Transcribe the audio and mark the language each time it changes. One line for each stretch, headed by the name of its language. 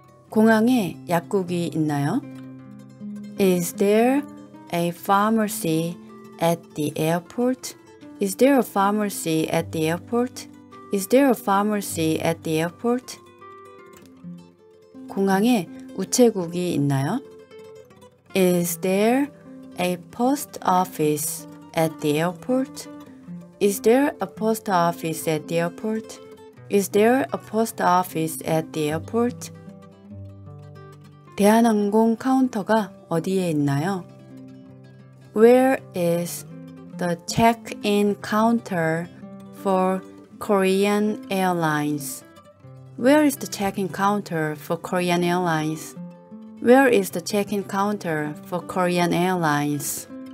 Korean: 공항에 약국이 있나요?
English: Is there a pharmacy at the airport? Is there a pharmacy at the airport? Is there a pharmacy at the airport?
Korean: 공항에 우체국이 있나요?
English: Is there a post office at the airport? Is there a post office at the airport? Is there a post office at the airport?
Korean: 대한항공 카운터가 어디에 있나요?
English: Where is the check-in counter for Korean Airlines? Where is the check-in counter for Korean Airlines? Where is the check-in counter for Korean Airlines?